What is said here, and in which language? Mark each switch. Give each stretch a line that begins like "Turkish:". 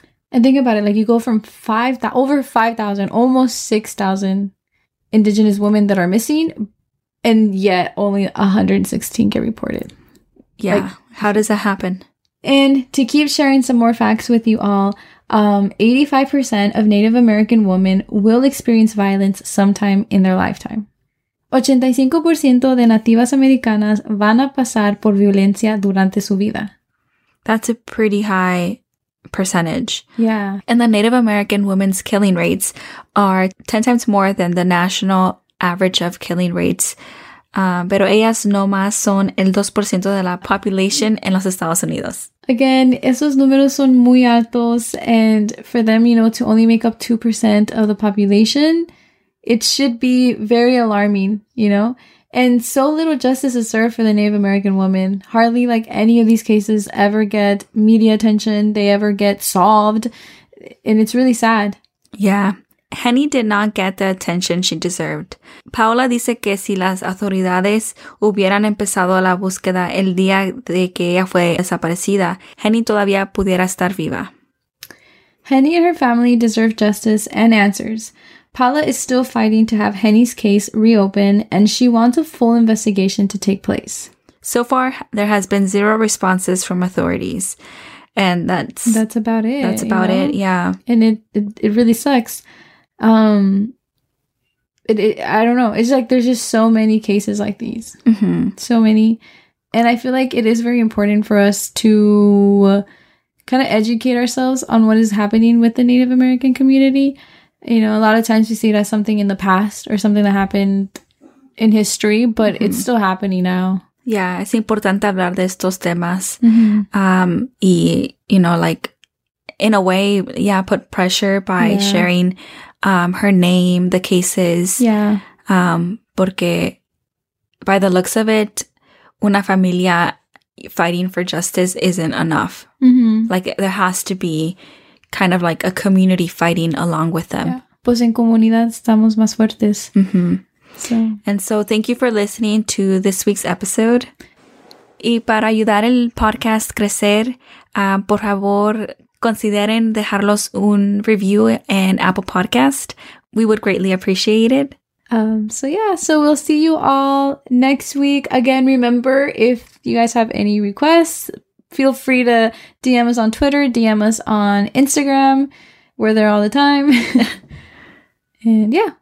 English: And think about it, like, you go from over 5,000, almost 6,000 indigenous women that are missing, and yet only 116 get reported. Yeah, like, how does that happen? And to keep sharing some more facts with you all, 85% of Native American women will experience violence sometime in their lifetime.
Spanish: 85% de nativas americanas van a pasar por violencia durante su vida.
English: That's a pretty high percentage. Yeah. And the Native American women's killing rates are 10 times more than the national average of killing rates.
Spanish: Pero ellas no más son el 2% de la
English: population
Spanish: en los Estados Unidos.
English: Again,
Spanish: esos números son muy altos.
English: And for them, you know, to only make up 2% of the population, it should be very alarming, you know? And so little justice is served for the Native American woman. Hardly, like, any of these cases ever get media attention. They ever get solved. And it's really sad. Yeah. Henny did not get the attention she deserved.
Spanish: Paula dice que si las autoridades hubieran empezado la búsqueda el día de que ella fue desaparecida, Henny todavía pudiera estar viva.
English: Henny and her family deserve justice and answers. Paula is still fighting to have Henny's case reopen, and she wants a full investigation to take place. So far, there has been zero responses from authorities. And that's about it. That's about it, yeah. And it really sucks. I don't know. It's like there's just so many cases like these. Mm-hmm. So many. And I feel like it is very important for us to kind of educate ourselves on what is happening with the Native American community. You know, a lot of times you see it as something in the past or something that happened in history, but mm-hmm. it's still happening now. Yeah,
Spanish: es importante hablar de estos temas. Mm-hmm. Y,
English: you know, like, in a way, yeah, put pressure by yeah. sharing her name, the cases. Yeah.
Spanish: Porque
English: by the looks of it,
Spanish: una familia
English: fighting for justice isn't enough. Mm-hmm. Like, there has to be kind of like a community fighting along with them. Yeah.
Spanish: Pues en comunidad estamos más fuertes. Mm-hmm.
English: So. And so thank you for listening to this week's episode.
Spanish: Y para ayudar el podcast crecer, por favor, consideren dejarlos un review en Apple Podcast.
English: We would greatly appreciate it. So we'll see you all next week. Again, remember, if you guys have any requests, feel free to DM us on Twitter, DM us on Instagram. We're there all the time. And yeah,